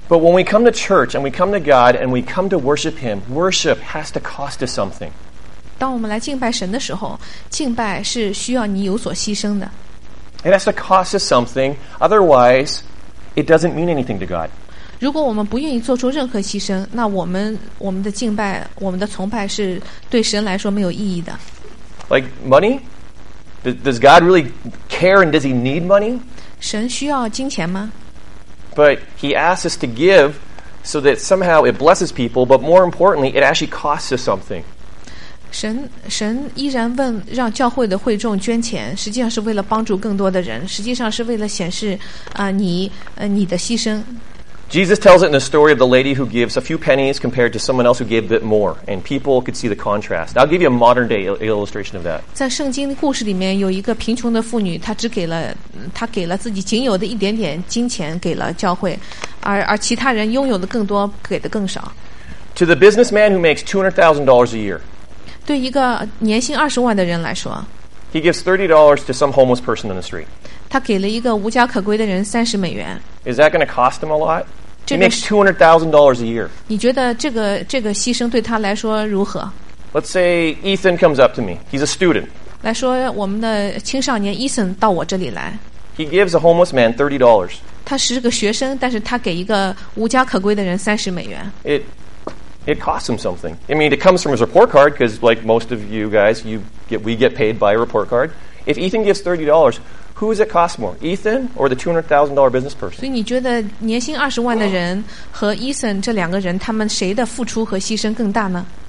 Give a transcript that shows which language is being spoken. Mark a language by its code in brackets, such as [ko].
[en] But when we come to church and we come to God and we come to worship Him worship has to cost us something [zh] 当我们来敬拜神的时候敬拜是需要你有所牺牲的 [en] It has to cost us something Otherwise It doesn't mean anything to God [zh] 如果我们不愿意做出任何牺牲那我们的敬拜我们的崇拜是对神来说没有意义的 [en] Like money? Does God really care and does he need money? [zh] 神需要金钱吗 [en] But he asks us to give So that somehow it blesses people But more importantly It actually costs us something [zh] 神依然问让教会的会众捐钱实际上是为了帮助更多的人实际上是为了显示、你的牺牲 [en] Jesus tells it in the story of the lady who gives a few pennies compared to someone else who gave a bit more and people could see the contrast I'll give you a modern day illustration of that [zh] 在圣经故事里面有一个贫穷的妇女她给了自己仅有的一点点金钱给了教会 而其他人拥有的更多给的更少 [en] To the businessman who makes $200,000 a year [zh] 对一个年薪二十万的人来说 [en] He gives $30 to some homeless person on the street [zh] 他给了一个无家可归的人$30 [en] Is that going to cost him a lot? He makes $200,000 a year [zh] 你觉得这个牺牲对他来说如何 [en] Let's say Ethan comes up to me. He's a student. [zh] 来说, 我们的青少年 Ethan 到我这里来。 [en] He gives a homeless man $30. [zh] 他是个学生, 但是他给一个无家可归的人30美元。 [en] It costs him something. I mean, it comes from his report card, because like most of you guys, we get paid by a report card. If Ethan gives $30, who does it cost more, Ethan or the $200,000 business person? [zh] 所以你觉得年薪20万的人和Ethan这两个人，他们谁的付出和牺牲更大呢？